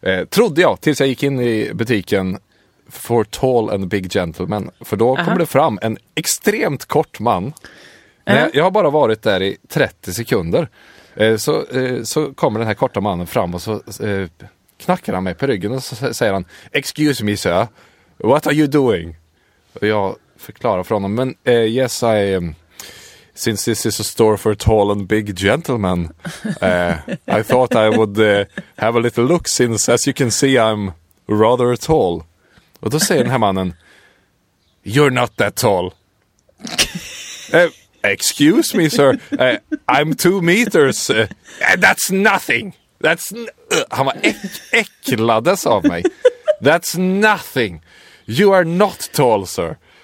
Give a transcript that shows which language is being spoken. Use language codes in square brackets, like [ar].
[sv] Trodde jag, tills jag gick in i butiken... [en] For tall and big gentlemen. [sv] För då kommer det fram en extremt kort man. Jag har bara varit där i 30 sekunder. Så kommer den här korta mannen fram och så knackar han mig på ryggen. Och så säger han, [en] excuse me sir, what are you doing? [sv] Och jag förklarar för honom, men [en] yes I, since this is a store for tall and big gentlemen, I thought I would have a little look since as you can see I'm rather tall. [sv] Och då säger den här mannen, [en] you're not that tall. Excuse me, sir. I'm 2 meters. That's nothing. [sv] Han var äcklades av mig. [en] That's nothing. You are not tall, sir.